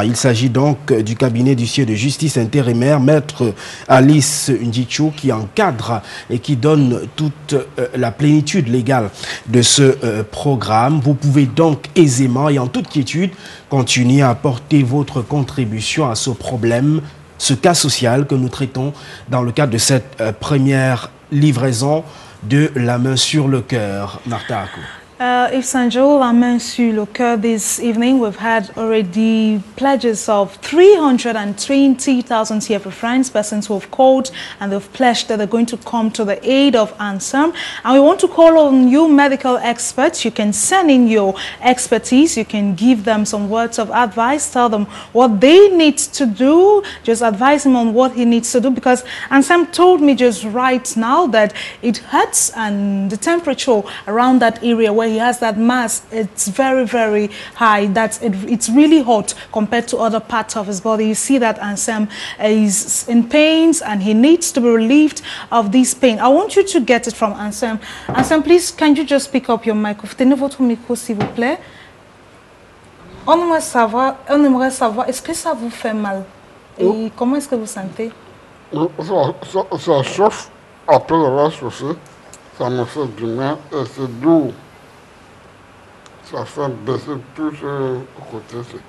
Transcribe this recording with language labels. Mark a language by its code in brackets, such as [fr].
[fr] Il s'agit donc du cabinet du siège de justice intérimaire, Maître Alice Ndicho, qui encadre et qui donne toute la plénitude légale de ce programme. Vous pouvez donc aisément et en toute quiétude continuer à apporter votre contribution à ce problème, ce cas social que nous traitons dans le cadre de cette première livraison de La Main sur le Cœur. Martha Akou. [en] Yves Sanjo, La Main sur le Cœur, this evening we've had already pledges of 320,000 CFA francs, persons who have called and they've pledged that they're going to come to the aid of Anselme. And we want to call on you medical experts. You can send in your expertise, you can give them some words of advice, tell them what they need to do, just advise him on what he needs to do, because Anselme told me just right now that it hurts and the temperature around that area where he has that mass, it's very, very high. It's really hot compared to other parts of his body. You see that Anselme is in pains and he needs to be relieved of this pain. I want you to get it from Anselme. Anselme, please, can you just pick up your microphone? [fr] Tenez votre micro, s'il vous plaît. On aimerait savoir, est-ce que ça vous fait mal? Et comment est-ce que vous sentez? Ça chauffe après la chaussée. Ça me fait du bien et c'est doux. Ça fait baisser tout ce côté.